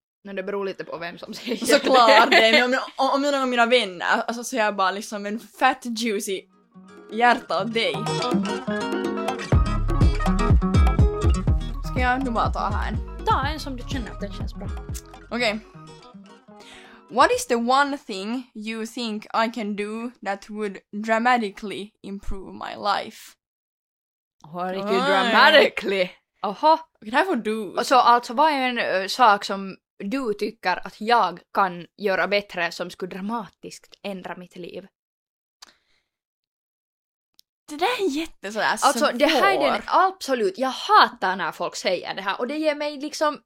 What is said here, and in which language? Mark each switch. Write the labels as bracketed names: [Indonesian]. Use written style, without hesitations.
[Swedish] Men det beror lite på vem som säger det. Såklart det. Om någon av mina vänner, alltså, så är jag bara liksom en [English] fat juicy [Swedish] hjärta av dig. Ska jag nu bara ta här en? Ta en som du känner att den känns bra. Okej. [English] What is the one thing you think I can do that would dramatically improve my life? Dramatically? Aha. [Swedish] Okay, det här får du. Alltså, vad är en sak som du tycker att jag kan göra bättre som skulle dramatiskt ändra mitt liv? Det där är jättesådär svår. Alltså, det här är den absolut... Jag hatar när folk säger det här. Och det ger mig liksom...